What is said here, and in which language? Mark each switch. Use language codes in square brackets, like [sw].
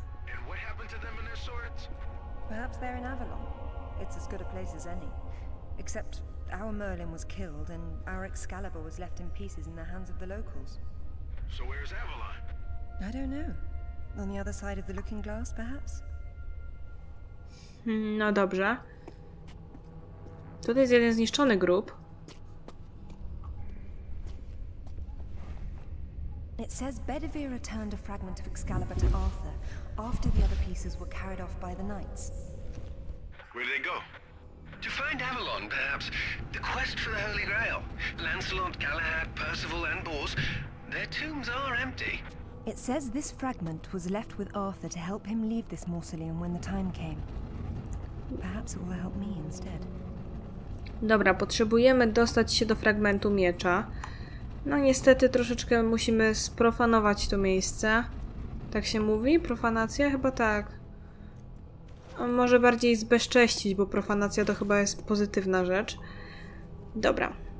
[en] And what happened to them and their swords? Perhaps they're in Avalon. It's as good a place as any. Except our Merlin was killed and our Excalibur was left in pieces in the hands of the locals. So where's Avalon? I don't know. On the other side of the looking glass, perhaps? [pl] No dobrze. Tutaj jest jeden zniszczony grób. [en] It says Bedivere returned a fragment of Excalibur to Arthur after the other pieces were carried off by the knights. Where did they go? To find Avalon, perhaps. The quest for the Holy Grail. Lancelot, Galahad, Percival, and Bors. Their tombs are empty. It says this fragment was left with Arthur to help him leave this mausoleum when the time came. Perhaps it will help me instead. [pl] Dobra, potrzebujemy dostać się do fragmentu miecza. No niestety troszeczkę musimy sprofanować to miejsce. Tak się mówi? Profanacja? Chyba tak. A może bardziej zbezcześcić, bo profanacja to chyba jest pozytywna rzecz. Dobra.